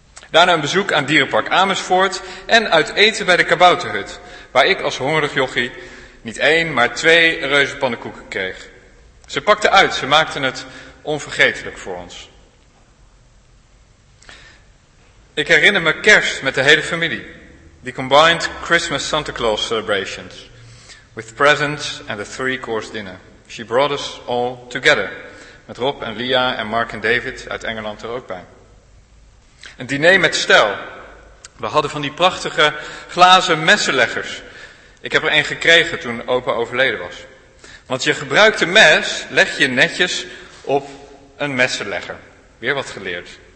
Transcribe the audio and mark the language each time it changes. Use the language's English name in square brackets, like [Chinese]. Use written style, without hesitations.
[Dutch] Daarna een bezoek aan Dierenpark Amersfoort en uit eten bij de Kabouterhut. Waar ik als hongerig jochie niet 1, maar 2 reuzenpannenkoeken kreeg. Ze pakte uit, ze maakten het onvergetelijk voor ons. Ik herinner me kerst met de hele familie. [English] The combined Christmas Santa Claus celebrations. With presents and a 3-course dinner. She brought us all together. [Dutch] Met Rob en Lia en Mark en David uit Engeland er ook bij. Een diner met stijl. We hadden van die prachtige glazen messenleggers. Ik heb er 1 gekregen toen opa overleden was. Want je gebruikt een mes, leg je netjes op een messenlegger. Weer wat geleerd.